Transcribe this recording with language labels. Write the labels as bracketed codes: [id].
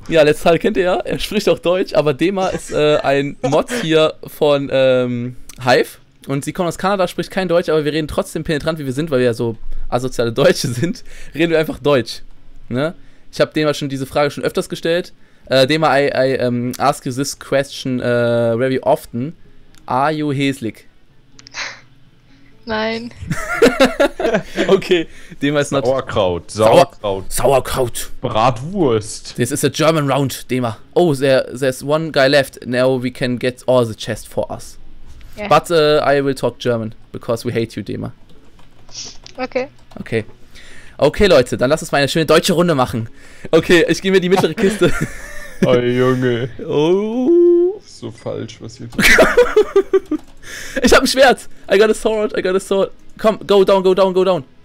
[de] Ja, Let's Huddle kennt ihr ja, er spricht auch Deutsch, aber Dema ist ein Mod hier von Hive. Und sie kommt aus Kanada, spricht kein Deutsch, aber wir reden trotzdem penetrant, wie wir sind, weil wir ja so asoziale Deutsche sind, reden wir einfach Deutsch. Ne? Ich habe Dema schon diese Frage schon öfters gestellt. [en] Dema, I ask you this question very often. Are you Heslig? [de] Nein. Okay, Dema ist Sauerkraut. [en] Not... [de] Sauerkraut. Sauerkraut. Sauerkraut. Bratwurst. [en] This is a German round, Dema. Oh, there's one guy left. Now we can get all the chest for us. Yeah. But I will talk German, because we hate you, Dema. Okay. Okay. [de] Okay, Leute, dann lass uns mal eine schöne deutsche Runde machen. Okay, ich gehe mir die mittlere Kiste. Oh, Junge. Oh. So falsch, was hier passiert. Ich hab ein Schwert. [en] I got a sword. [de] Komm, [en] go down.